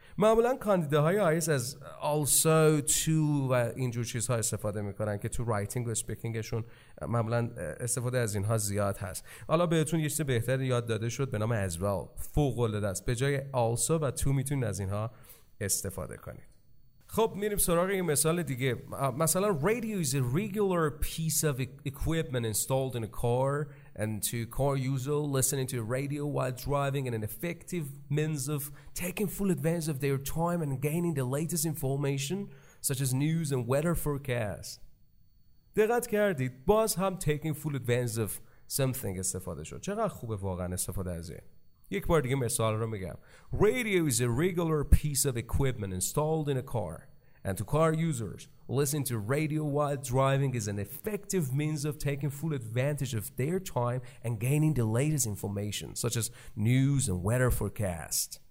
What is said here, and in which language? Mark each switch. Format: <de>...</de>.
<fa>معمولا کاندیداهای آیس از also to و اینجور چیزها استفاده میکنن که تو رایتینگ و سپیکینگشون معمولا استفاده از اینها زیاد هست. حالا بهتون یه چیز بهتر یاد داده شد به نام as well. فوق العاده است. به جای also و to میتونید از اینها استفاده کنید. خب میریم سراغ یه مثال دیگه.</fa> <en>مثلا radio is a regular piece of equipment installed in a car and to car user listening to radio while driving and an effective means of taking full advantage of their time and gaining the latest information such as news and weather forecast.</en> <fa>دقت کردید باز هم</fa> <en>taking full advantage of something</en> <fa>استفاده شد. چقدر خوبه واقعا استفاده از این. یک بار دیگه مثال رو میگم.</fa> <en>Radio is a regular piece of equipment installed in a car and to car users listening to radio while driving is an effective means of taking full advantage of their time and gaining the latest information such as news and weather forecast.</en>